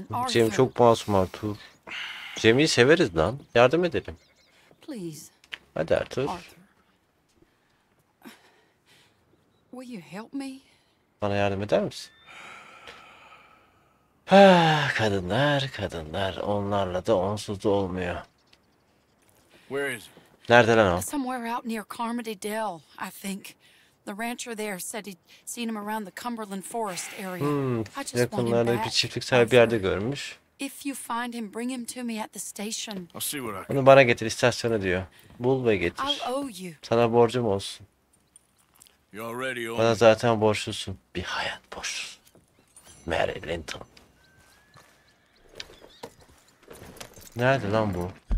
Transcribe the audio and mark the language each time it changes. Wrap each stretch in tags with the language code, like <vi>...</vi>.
<tr>Jamie çok masum Arthur. Jamie'yi severiz lan. Yardım edelim. Hadi Arthur.</tr> <en>Will you help me?</en> <tr>Bana yardım eder misin? Ah, kadınlar, kadınlar. Onlarla da onsuz da olmuyor.</tr> <en>Where is he?</en> <tr>Nerede lan o?</tr> <en>Somewhere out near Carmody Dell, I think. The rancher there said he'd seen him around the Cumberland Forest area.</en> <tr>Yakınlarda bir çiftlik sahibi bir yerde görmüş.</tr> <en>If you find him, bring him to me at the station. I'll see what I can.</en> <tr>Onu bana getir istasyona diyor. Bul ve getir.</tr> <en>I'll owe you.</en> <tr>Sana borcum olsun. Bana zaten borçlusun. Bir hayat borçlusun. Mary Linton. Nerede lan bu?</tr>